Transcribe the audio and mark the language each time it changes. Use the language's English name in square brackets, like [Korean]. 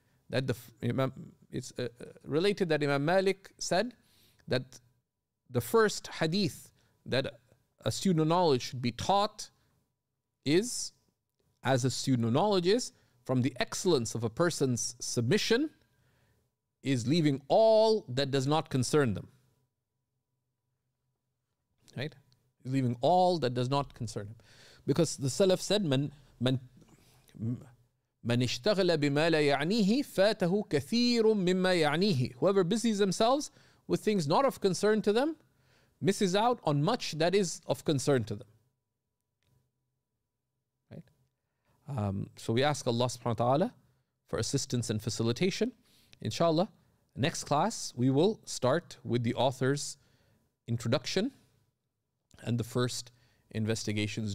[English] That the Imam, it's related that Imam Malik said that the first hadith that a student of knowledge should be taught is, as a student of knowledge is, from the excellence of a person's submission is leaving all that does not concern them. Right? Leaving all that does not concern them. [Arabic] Because the Salaf said, من اشتغل بما لا يعنيه فاته كثير مما يعنيه. [English] Whoever busies themselves with things not of concern to them misses out on much that is of concern to them. Right? So we ask Allah subhanahu wa ta'ala for assistance and facilitation. Inshallah, next class we will start with the author's introduction and the first investigations.